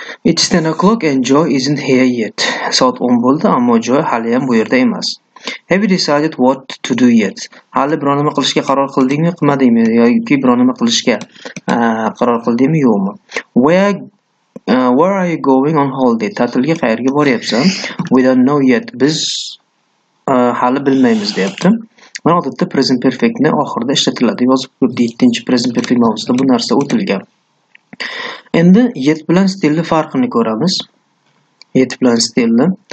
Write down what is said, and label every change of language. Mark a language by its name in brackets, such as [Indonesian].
[English] It's 10 o'clock and Joe isn't here yet. [Uzbek] Soat 10 bo'ldi, ammo Joe hali ham bu yerda emas. [English] Have you decided what to do yet? [Uzbek] Hali biror nima qilishga qaror qildingmi, qilmadingmi yoki biror nima qilishga qaror qildingmi, yo'qmi? [English] Where are you going on holiday? [Uzbek] Ta'tilga qayerga boryapsan? [English] We don't know yet. [Uzbek] Biz hali bilmaymiz, deyapti. Mana odatda present perfectni oxirida ishlatiladi. Yozib ko'rdi, 7-chi present perfect mavzusida bu narsa o'tilgan. Endi yet bilan stilni farqini ko'ramiz. Yet bilan stilni.